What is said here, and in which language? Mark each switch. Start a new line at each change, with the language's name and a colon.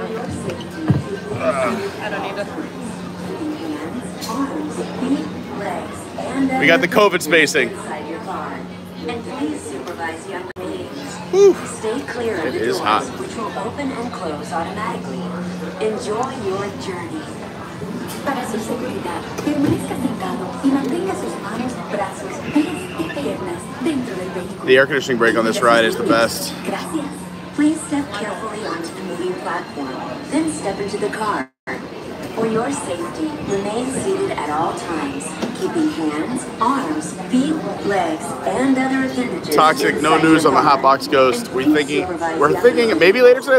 English: I don't need it. We got the COVID spacing. Stay clear of the doors, which will open and close automatically. Enjoy your journey.
Spanish: Para su seguridad, permanezca sentado y mantenga sus manos, brazos, pies y piernas dentro del vehículo.
English: The air conditioning brake on this ride is the best.
Spanish: Gracias.
English: Please step carefully onto the moving platform, then step into the car. For your safety, remain seated at all times, keeping hands, arms, feet, legs, and other appendages. Toxic, no news on the Hotbox Ghost. We're thinking maybe later today.